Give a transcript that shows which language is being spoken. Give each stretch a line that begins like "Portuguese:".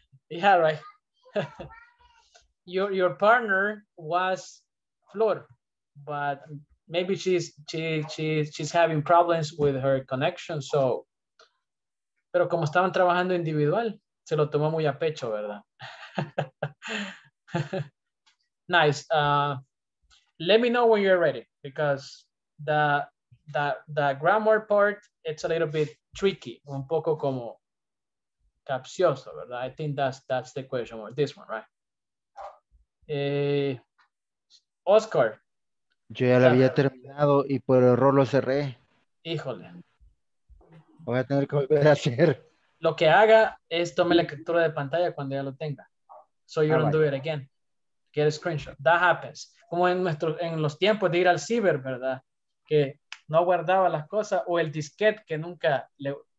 English: Yeah, right. Your partner was Flor, but maybe she's having problems with her connection.
Spanish: So, pero como estaban trabajando individual, se lo tomó muy a pecho, ¿verdad?
English: Nice. Let me know when you're ready, because the grammar part, it's a little bit tricky,
Spanish: un poco como capcioso, ¿verdad?
English: I think that's the question, or this one, right? Oscar.
Spanish: Yo ya lo había terminado y por error lo cerré. Híjole. Voy a tener que volver a hacer. Lo que haga es tome la captura de pantalla cuando ya lo tenga.
English: So you don't do it again. Get a screenshot. That happens.
Spanish: Como en los tiempos de ir al ciber, ¿verdad? Que no guardaba las cosas, o el disquete que nunca le...